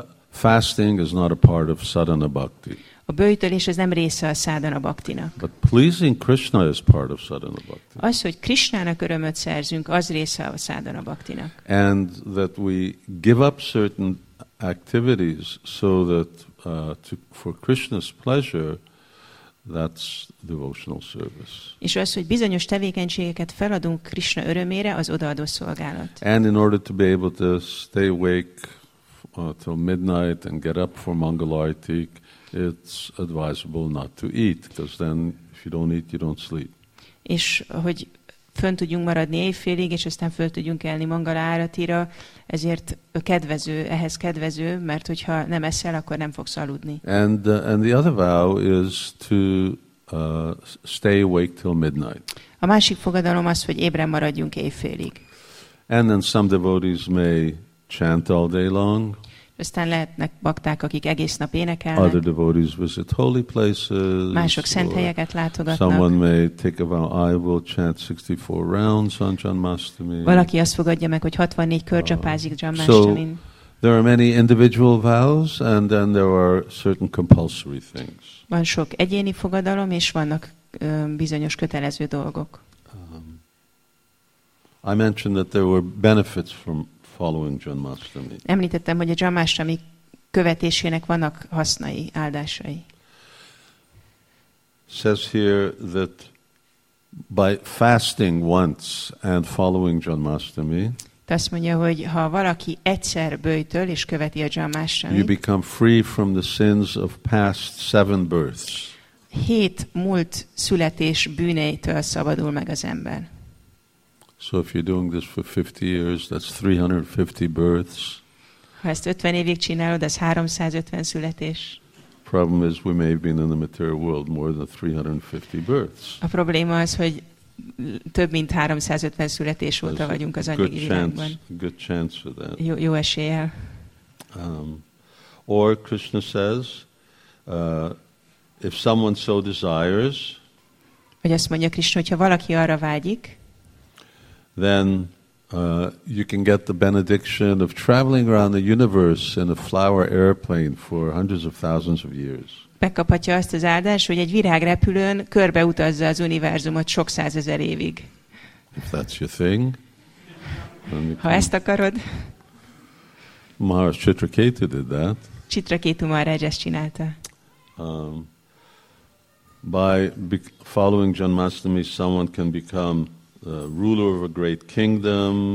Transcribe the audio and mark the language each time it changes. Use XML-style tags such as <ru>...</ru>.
<en>Fasting is not a part of sadhana bhakti.</en> <hu>A böjtölés az nem része a sadhana bhaktinak.</hu> <en>But pleasing Krishna is part of sadhana bhakti.</en> <hu>Az, hogy Krishnának örömöt szerzünk, az része a sadhana bhaktinak.</hu> <en>And that we give up certain activities so that for Krishna's pleasure, that's devotional service.</en> <hu>És az, hogy bizonyos tevékenységeket feladunk Krishna örömére, az odaadó szolgálat.</hu> <en>And in order to be able to stay awake till midnight and get up for Mangal Arati, it's advisable not to eat, because then if you don't eat, you don't sleep.</en> <hu>És hogy fönn tudjunk maradni éjfélig, és aztán föl tudjunk kelni Mangal Aratira, ezért kedvező, ehhez kedvező, mert hogyha nem eszel, akkor nem fogsz aludni.</hu> <en>And the other vow is to stay awake till midnight.</en> <hu>A másik fogadalom az, hogy ébren maradjunk éjfélig.</hu> <en>And then some devotees may chant all day long.</en> <hu>Aztán lehetnek bakták, akik egész nap énekelnek.</hu> <en>Other devotees visit holy places.</en> <hu>Mások szent helyeket látogatnak.</hu> <en>Someone may take a vow, I will chant 64 rounds on Janmashtami.</en> <hu>Valaki azt fogadja meg, hogy 64 kört japázik Janmashtamin.</hu> <en>So there are many individual vows, and then there are certain compulsory things.</en> <hu>Van sok egyéni fogadalom, és vannak bizonyos kötelező dolgok.</hu> <en>I mentioned that there were benefits from following Janmashtami.</en> <hu>Említettem, hogy a Janmashtami követésének vannak hasznai, áldásai.</hu> <en>Says here that by fasting once and following Janmashtami,</en> <hu>Te azt mondja, hogy ha valaki egyszer böjtöl és követi a dzsamásramit,</hu> <en>you become free from the sins of past seven births.</en> <hu>Hét múlt születés bűneitől szabadul meg az ember.</hu> <en>So if you're doing this for 50 years, that's 350 births.</en> <hu>Ha ezt 50 évig csinálod, az 350 születés.</hu> <en>Problem is we may have been in the material world more than 350 births.</en> <hu>A probléma az, hogy több mint 350 születés óta vagyunk az anyagi világban.</hu> <en>Good chance for that.</en> <hu>Jó eséllyel.</hu> <en>Or Krishna says, if someone so desires,</en> <hu>vagy azt mondja Krishna, hogyha valaki arra vágyik,</hu> <en>then you can get the benediction of traveling around the universe in a flower airplane for hundreds of thousands of years.</en> <hu>Megkaphatja azt az áldást, hogy egy virágrepülőn körbe utazza az univerzumot sok százezer évig.</hu> <en>If that's your thing,</en> <hu>ha ezt akarod.</hu> <en>Maharaj Chitraketu did that.</en> <hu>Chitraketu Maharaj ezt csinálta.</hu> <en>By following Janmashtami, someone can become the ruler of a great kingdom.</en>